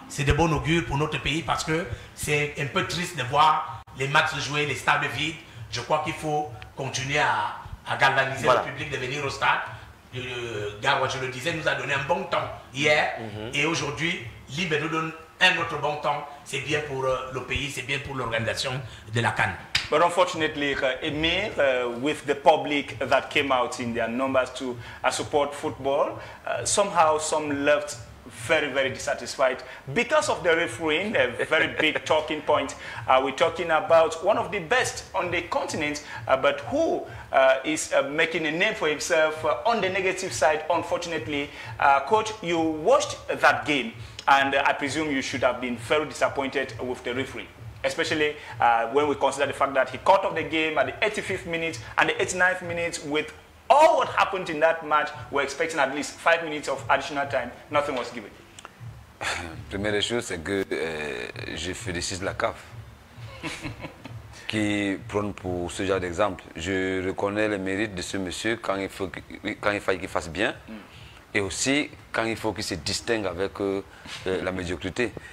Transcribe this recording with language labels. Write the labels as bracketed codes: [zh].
[fr] C'est de bon augure pour notre pays parce que c'est un peu triste de voir les matchs jouer, les stades vides. Je crois qu'il faut continuer à galvaniser le public de venir au stade. Garo, je le disais, nous a donné un bon temps hier. Et aujourd'hui, Limbé nous donne un autre bon temps. C'est bien pour le pays, c'est bien pour l'organisation de la CAN. [en] But unfortunately, Emir, with the public that came out in their numbers to support football, somehow some left very, very dissatisfied because of the refereeing, a very big talking point. We're talking about one of the best on the continent, but who is making a name for himself on the negative side, unfortunately. Coach, you watched that game, and I presume you should have been very disappointed with the referee. Especially when we consider the fact that he cut off the game at the 85th minute and the 89th minute. With all what happened in that match, we're expecting at least 5 minutes of additional time. Nothing was given. [fr] Première chose, c'est que je félicite la CAF qui prône pour ce genre d'exemple. Je reconnais le mérite de ce monsieur quand il faut qu'il fasse bien et aussi quand il faut qu'il se distingue avec la médiocrité.